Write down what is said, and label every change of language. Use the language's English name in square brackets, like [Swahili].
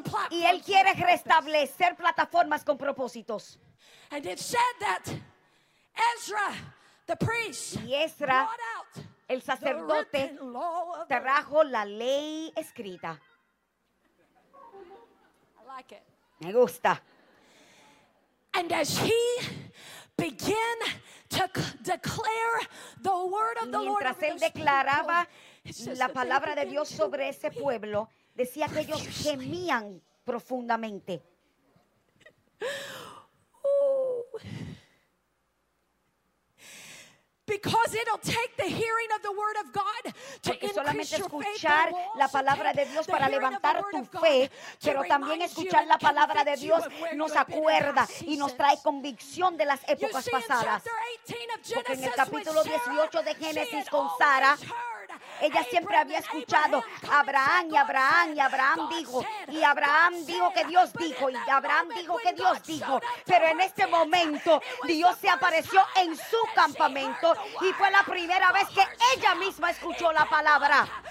[Spanish] Y Él quiere restablecer plataformas con propósitos. [English] And it said that Ezra, the priest, brought out [Spanish] el sacerdote, trajo la ley escrita. Me gusta. [English] And as he began to declare the word of the Lord, [Spanish] mientras él declaraba la palabra de Dios sobre ese pueblo, decía que ellos gemían profundamente. [English] Because it'll take the hearing of the word of God to increase your faith. [Spanish] Escuchar la palabra de Dios para levantar tu fe, pero también escuchar la palabra de Dios nos acuerda y nos trae convicción de las épocas pasadas. Porque en el capítulo 18 de Génesis con Sara, ella siempre había escuchado Abraham y Abraham y Abraham dijo y Abraham dijo que Dios dijo y Abraham dijo que Dios dijo, pero en este momento Dios se apareció en su campamento y fue la primera vez que ella misma escuchó la palabra.